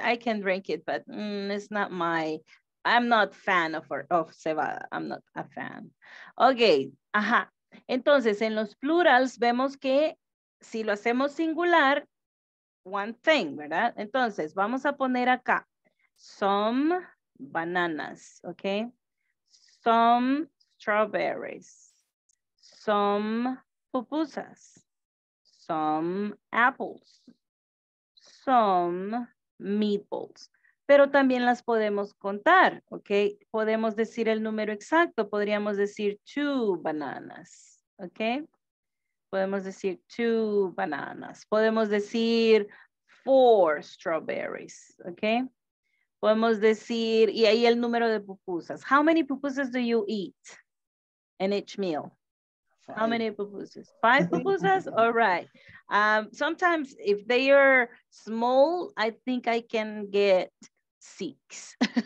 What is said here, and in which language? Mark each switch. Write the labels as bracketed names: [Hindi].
[English] I can drink it, but it's not my, I'm not fan of cebada. I'm not a fan. Okay, ajá. [Spanish] Entonces, en los plurals vemos que si lo hacemos singular, [English] one thing, [Spanish] ¿verdad? Entonces, vamos a poner acá. [English] Some bananas, okay? Some strawberries. Some pupusas. Some apples. Some meatballs. [Spanish] Pero también las podemos contar, okay? Podemos decir el número exacto. Podríamos decir [English] two bananas, okay? [Spanish] Podemos decir [English] two bananas. [Spanish] Podemos decir [English] four strawberries, okay? [Spanish] Podemos decir, y ahí el número de pupusas. [English] How many pupusas do you eat in each meal? Five. How many pupusas? Five pupusas? All right. Sometimes if they are small, I think I can get six.